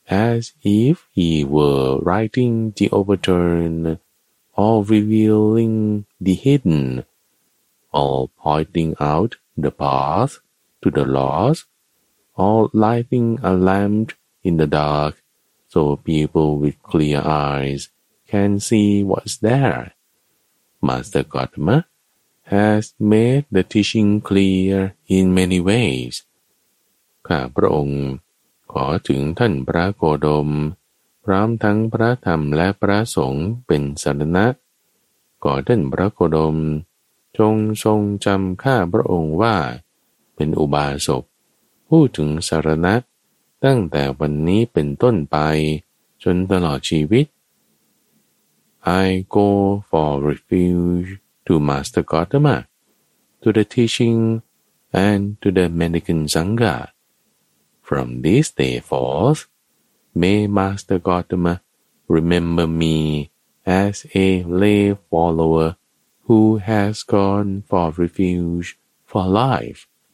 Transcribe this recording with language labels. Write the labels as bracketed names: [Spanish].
[English] As if he were writing the overturn, or revealing the hidden, or pointing out the path to the lost, or lighting a lamp in the dark, so people with clear eyes can see what's there. Master Gotama,has made the teaching clear in many ways. [Thai] ข้าพระองค์ขอถึงท่านพระโคดมพร้อมทั้งพระธรรมและพระสงฆ์เป็นสรณะขอท่านพระโคดมจงทรงจำข้าพระองค์ว่าเป็นอุบาสกพูดถึงสรณะตั้งแต่วันนี้เป็นต้นไปจนตลอดชีวิต [English] I go for refuge. To Master Gotama, to the teaching, and to the mendicant Sangha. From this day forth, may Master Gotama remember me as a lay follower who has gone for refuge for life.